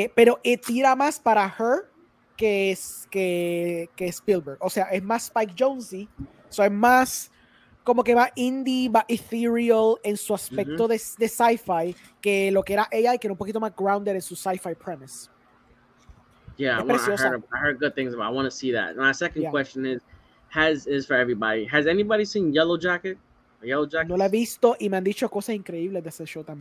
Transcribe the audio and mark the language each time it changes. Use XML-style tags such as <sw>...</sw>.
<es>Pero tira más para Her que Spielberg. O sea, es más Spike Jonze, so es más... como que va indie, va ethereal en su aspecto de sci-fi que lo que era AI, que era un poquito más grounded en su sci-fi premise.</es> <en>Yeah, I heard good things about it. I want to see that. My second question is for everybody. Has anybody seen Yellow Jacket?</en> <es>No la he visto y me han dicho cosas increíbles de ese show también.</es>